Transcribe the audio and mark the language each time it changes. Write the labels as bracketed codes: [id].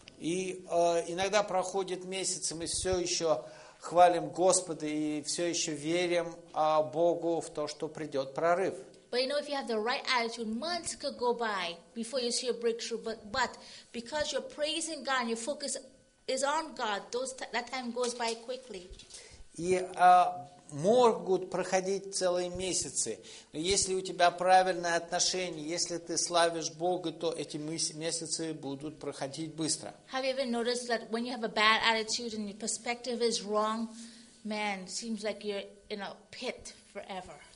[ru] И иногда проходит месяц, и мы все еще хвалим Господа и все еще верим Богу в то, что придет прорыв. [en] But you know, if you have the right attitude, months could go by before you see a breakthrough. But because you're praising God and your focus is on God, that time goes by quickly. [ru] И могут проходить целые месяцы. Но если у тебя правильное отношение, если ты славишь Бога, то эти месяцы будут проходить быстро. [en] Have you ever noticed that when you have a bad attitude and your perspective is wrong, man, seems like you're in a pit forever.